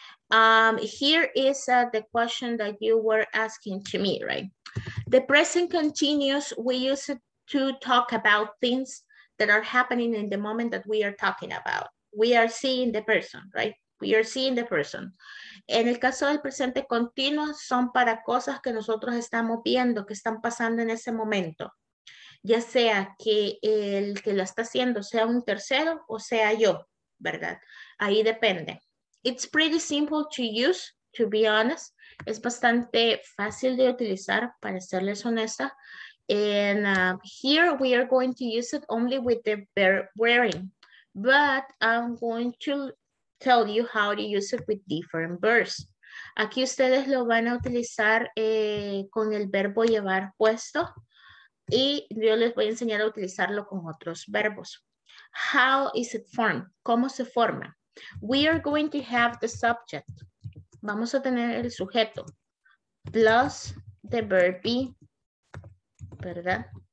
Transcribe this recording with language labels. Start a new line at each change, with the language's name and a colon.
English: Here is the question that you were asking to me, right? The present continuous, we use it to talk about things that are happening in the moment that we are talking about. We are seeing the person, right? We are seeing the person.
Spanish: En el caso del presente continuo, son para cosas que nosotros estamos viendo, que están pasando en ese momento. Ya sea que el que lo está haciendo sea un tercero o sea yo, ¿verdad? Ahí depende.
English: It's pretty simple to use, to be honest.
Spanish: Es bastante fácil de utilizar, para serles honesta.
English: And here we are going to use it only with the verb wearing. But I'm going to tell you how to use it with different verbs.
Spanish: Aquí ustedes lo van a utilizar con el verbo llevar puesto. Y yo les voy a enseñar a utilizarlo con otros verbos.
English: How is it formed?
Spanish: ¿Cómo se forma?
English: We are going to have the subject.
Spanish: Vamos a tener el sujeto.
English: Plus the verb be.
Spanish: ¿Verdad?